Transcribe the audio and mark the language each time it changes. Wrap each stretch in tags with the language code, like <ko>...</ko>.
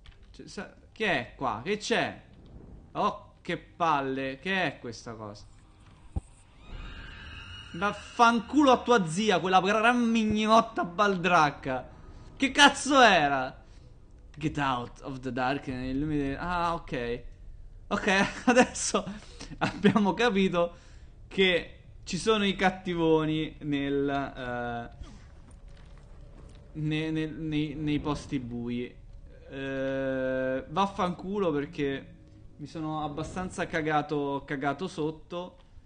<it>Chi è qua? Che c'è? Oh, che palle! Che è questa cosa? Vaffanculo a tua zia, quella gran mignotta baldracca! Che cazzo era?</it> <en>Get out of the dark and illuminate. Ah, ok.</en> <it>Ok, adesso abbiamo capito che ci sono i cattivoni nei posti bui. Vaffanculo perché mi sono abbastanza cagato sotto.</it>